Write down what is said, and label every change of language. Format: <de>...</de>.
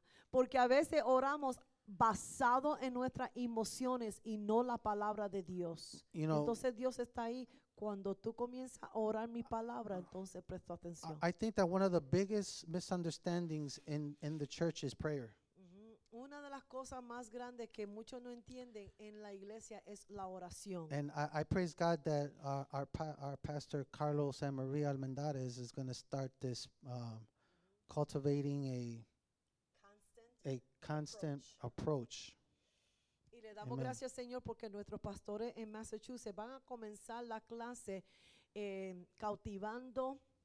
<es>Porque a veces oramos basado en nuestras emociones y no la palabra de Dios.</es> <en>You know,</en> <es>entonces Dios está ahí. Cuando tú comienzas a orar mi palabra, entonces presta atención.</es> <en>I think that one of the biggest misunderstandings in the church is prayer.</en> <es>Una de las cosas más grandes que muchos no entienden en la iglesia es la oración.</es> <en>And I praise God that our pastor Carlos and Maria Almendares is going to start this cultivating a constant approach.</en> <es>Le damos gracias, Señor, porque nuestros pastores en Massachusetts van a comenzar la clase cautivando.</es>